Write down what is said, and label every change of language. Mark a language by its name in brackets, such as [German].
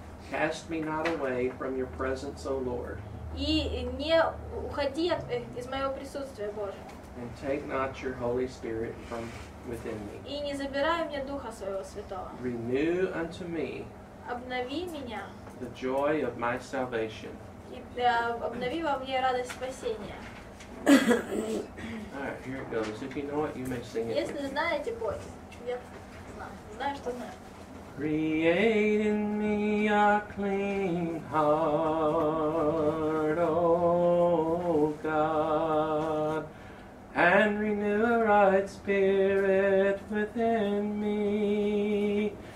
[English] Cast me not away from your presence, O Lord. [Russian] И не уходи из моего присутствия, Боже. [English] And take not your Holy Spirit from within me. [Russian] И не забирай мне Духа своего Святого. [English] Renew unto me. [Russian] Обнови меня. [English] The joy of my salvation. [Russian] И обнови во мне радость спасения. [English] Alright, here it goes. If you know it, you may sing it. [Russian] Если знаете, пойте. Я знаю, что знаю. [English] Create in me a clean heart, O God, and renew a right spirit within me.